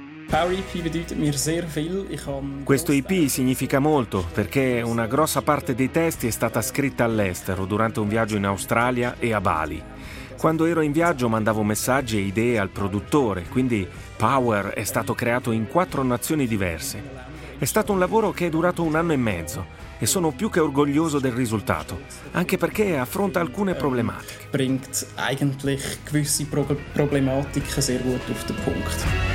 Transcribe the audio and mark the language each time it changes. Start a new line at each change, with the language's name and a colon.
German: Power EP bedeutet mir sehr viel.
Italian: Questo EP significa molto perché una grossa parte dei testi è stata scritta all'estero durante un viaggio in Australia e a Bali. Quando ero in viaggio mandavo messaggi e idee al produttore, quindi Power è stato creato in 4 nazioni diverse. È stato un lavoro che è durato 1 anno e mezzo e sono più che orgoglioso del risultato, anche perché affronta alcune problematiche.
German: Bringt eigentlich gewisse Problematiken sehr gut auf den Punkt.